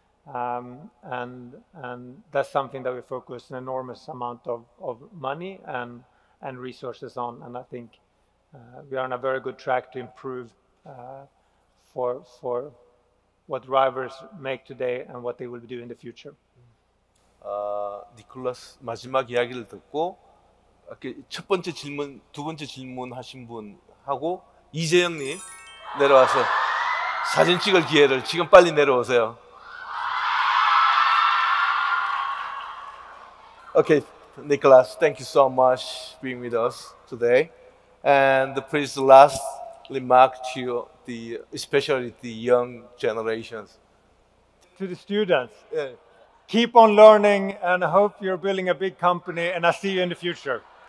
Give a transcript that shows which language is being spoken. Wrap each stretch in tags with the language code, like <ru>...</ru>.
<en>And that's something that we focus an enormous amount of money and resources on. And I think we are on a very good track to improve for what drivers make today and what they will do in the future.</en> <ko>니콜라스 마지막 이야기를 듣고 첫 번째 질문, 두 번째 질문 하신 분하고 이재영님 내려와서 사진 찍을 기회를 지금 빨리 내려오세요.</ko> <en>Okay, Niklas, thank you so much for being with us today. And please, the last remark to you, the especially the young generations. To the students. Yeah. Keep on learning and I hope you're building a big company and I see you in the future.</en>